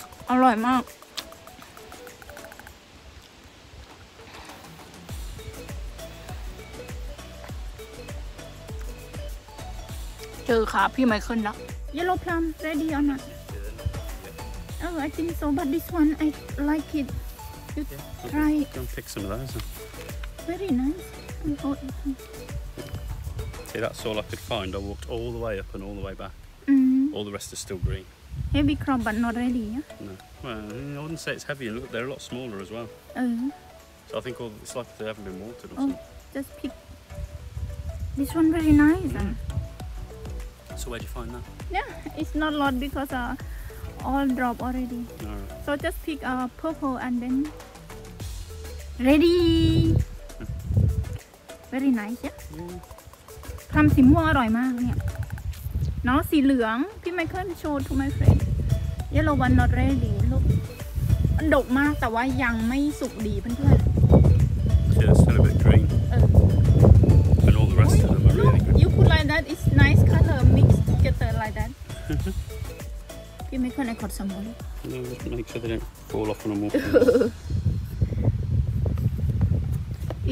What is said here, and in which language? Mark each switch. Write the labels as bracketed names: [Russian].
[Thai] อร่อยมากเจอขาพี่ไมเคิลแล้ว [English] ยาโลพลัมเรดี้ออน [Thai] นะเออ [English] I think so but this one I like it you try yeah, don't pick some of those very nice see that's all I could find I walked all the way up and all the way back all the rest are still green Heavy crop, but not ready, yeah? No. Well, I wouldn't say it's heavy. Look, they're a lot smaller as well. So I think it's like they haven't been watered or something. Just pick this one very nice. Mm. So where'd you find that? Yeah, it's not a lot because all drop already. Alright. So just pick a purple and then ready. Very nice, yeah? Yeah. [Thai] Plum สีม่วงอร่อยมากเนี่ยเนาะสีเหลืองพี่ไมเคิลโชว์ [English] to my friend yellow one not ready [Thai] ลูกมันดกมากแต่ว่ายังไม่สุกดีเพื่อนๆ [English] yeah, it's still a bit green and all the rest of them are look, really you put like that it's nice color mixed together like that [Thai] พี่ไมเคิลไอ้ขอดสมุน ไพร [English] no make sure they don't fall off on them